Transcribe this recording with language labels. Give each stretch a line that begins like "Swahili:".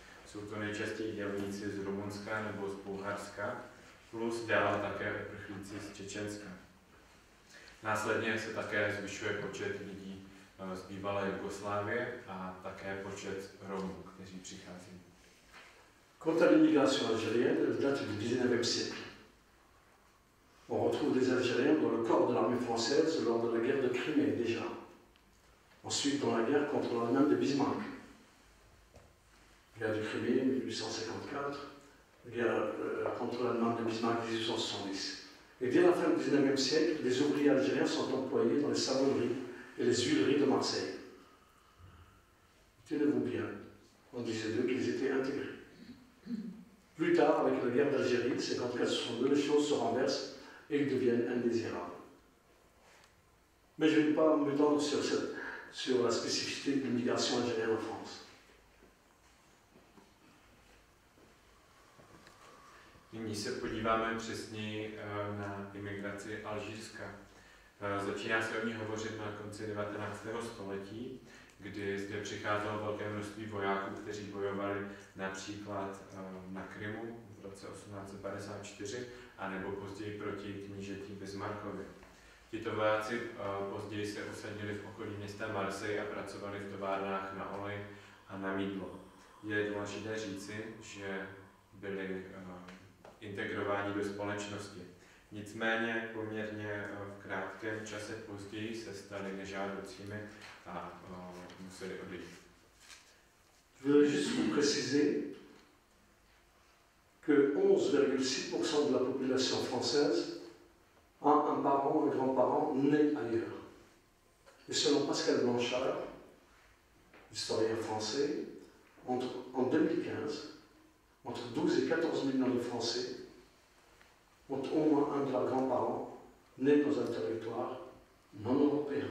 Czech: Jsou to nejčastěji dělníci z Rumunska nebo z Bulharska, plus dále také uprchlíci z Čečenska. Následně se také zvyšuje počet lidí z bývalé Jugoslávie a také počet Romů, kteří přichází.
French: Quant à l'immigration algérienne, elle date du 19e siècle. On retrouve des Algériens dans le corps de l'armée française lors de la guerre de Crimée, déjà. Ensuite, dans la guerre contre l'Allemagne de Bismarck. Guerre de Crimée, 1854. Guerre contre l'Allemagne de Bismarck, 1870. Et dès la fin du 19e siècle, les ouvriers algériens sont employés dans les savonneries et les huileries de Marseille. Tenez-vous bien, on disait d'eux qu'ils étaient intégrés. Plus tard, avec la guerre d'Algérie, c'est quand elles sont deux choses se renversent et ils deviennent indésirables. Mais je ne vais pas m'étendre sur la spécificité de l'immigration algérienne en France.
Czech: Nyní se podíváme přesněji na imigraci Alžírska. Začíná se o ní hovořit na konci 19. století, kdy zde přicházelo velké množství vojáků, kteří bojovali například na Krymu v roce 1854, anebo později proti knížeti Bismarckovi. Tito vojáci později se usadili v okolí města Marseille a pracovali v továrnách na olej a na mýdlo. Je důležité říci, že byli integrováni do společnosti. Nicméně poměrně v krátkém čase později se stali nežádoucími a museli odejít. Důležité je
French: préciser, že 11,6% de la population française a un parent, un grand-parent né ailleurs. Et selon Pascal Blanchard, historien français, en 2015, entre 12 et 14 millions de Français ont au moins un de leurs grands-parents né dans un territoire non européen.